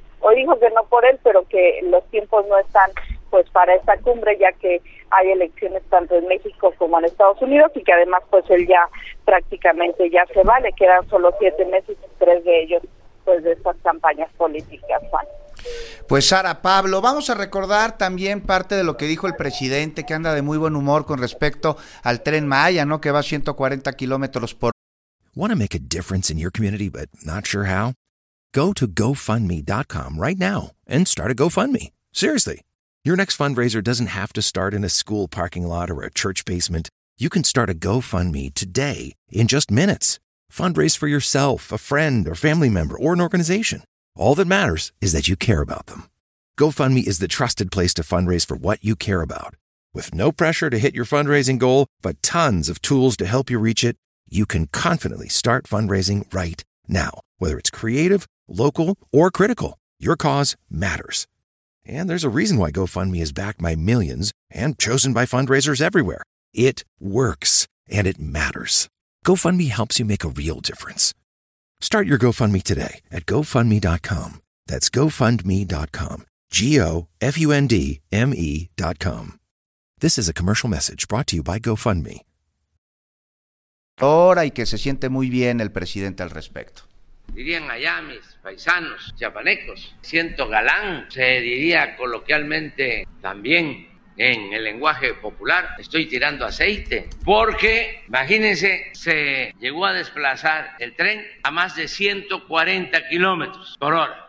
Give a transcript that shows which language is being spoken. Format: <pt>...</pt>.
<es>Hoy dijo que no por él, pero que los tiempos no están pues para esta cumbre, ya que hay elecciones tanto en México como en Estados Unidos, y que además pues él ya prácticamente ya se va, le quedan solo 7 meses, 3 de ellos pues de estas campañas políticas, Juan. Pues Sara, Pablo, vamos a recordar también parte de lo que dijo el presidente, que anda de muy buen humor con respecto al Tren Maya, ¿no? Que va a 140 kilómetros por...</es> <en>Want to make a difference in your community, but not sure how? Go to GoFundMe.com right now and start a GoFundMe. Seriously. Your next fundraiser doesn't have to start in a school parking lot or a church basement. You can start a GoFundMe today in just minutes. Fundraise for yourself, a friend, or family member, or an organization. All that matters is that you care about them. GoFundMe is the trusted place to fundraise for what you care about. With no pressure to hit your fundraising goal, but tons of tools to help you reach it, you can confidently start fundraising right now. Whether it's creative, local, or critical, your cause matters. And there's a reason why GoFundMe is backed by millions and chosen by fundraisers everywhere. It works, and it matters. GoFundMe helps you make a real difference. Start your GoFundMe today at GoFundMe.com. That's GoFundMe.com. GoFundMe.com. This is a commercial message brought to you by GoFundMe.</en> <es>Ahora, y que se siente muy bien el presidente al respecto. Dirían allá mis paisanos chiapanecos, siento galán, se diría coloquialmente también en el lenguaje popular, estoy tirando aceite, porque imagínense, se llegó a desplazar el tren a más de 140 kilómetros por hora.</es>